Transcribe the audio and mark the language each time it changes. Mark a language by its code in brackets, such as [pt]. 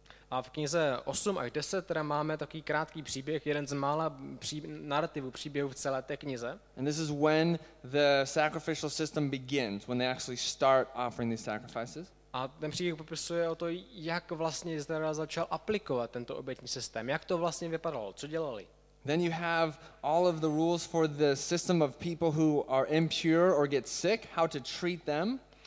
[cs] A v knize 8 až 10 teda máme takový krátký příběh, jeden z mála narrativů příběhů v celé té knize. [en] And this is when the sacrificial system begins, when they actually start offering these sacrifices. [cs] A ten příběh popisuje o to, jak vlastně Izrael začal aplikovat tento obětní systém, jak to vlastně vypadalo, co dělali. [en] Then you have all of the rules for the system of people who are impure or get sick, how to treat them.